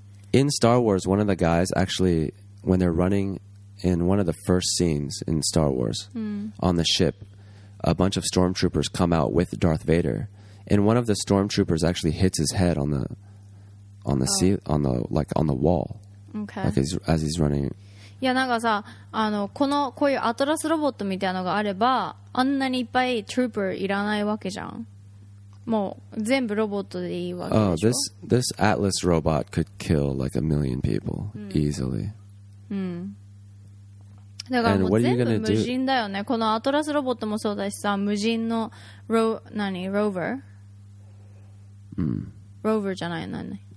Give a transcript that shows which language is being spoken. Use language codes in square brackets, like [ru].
[en] In Star Wars, one of the guys actually, when they're running in one of the first scenes in Star Wars, on the ship, a bunch of stormtroopers come out with Darth Vader, and one of the stormtroopers actually hits his head on the on the wall. Okay. Like as he's running. [ja] いやなんかさ、こういうアトラスロボットみたいなのがあれば、あんなにいっぱいトゥーパーいらないわけじゃん。もう全部ロボットでいいわけでしょ。 [en] Oh, this Atlas robot could kill like a million people easily. [ja] だからもう全部無人だよね。このアトラスロボットもそうだしさ、無人のローバー、ローバーじゃないの、何？